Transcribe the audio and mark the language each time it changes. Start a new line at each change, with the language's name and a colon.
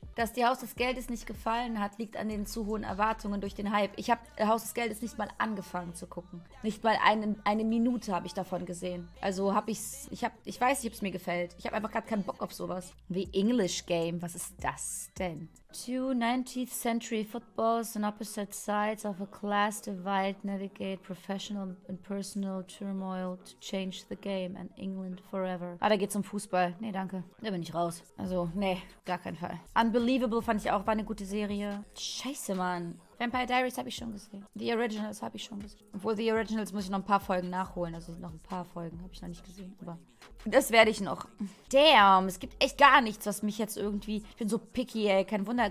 German: Dass dir Haus des Geldes nicht gefallen hat, liegt an den zu hohen Erwartungen durch den Hype. Ich habe Haus des Geldes nicht mal angefangen zu gucken. Nicht mal eine Minute habe ich davon gesehen. Also habe ich's, ich weiß nicht, ob es mir gefällt. Ich habe einfach gerade keinen Bock auf sowas. Wie English Game, was ist das? Denn?
English: Two 19th century footballs on opposite sides of a class divide navigate professional and personal turmoil to change the game and England forever.
German: Ah, da geht's um Fußball. Nee, danke. Da bin ich raus. Also, nee, gar keinen Fall. Unbelievable fand ich auch, war eine gute Serie. Scheiße, Mann. Vampire Diaries habe ich schon gesehen. The Originals habe ich schon gesehen. Obwohl, The Originals muss ich noch ein paar Folgen nachholen. Also noch ein paar Folgen habe ich noch nicht gesehen. Aber das werde ich noch. Damn, es gibt echt gar nichts, was mich jetzt irgendwie... Ich bin so picky, ey. Kein Wunder.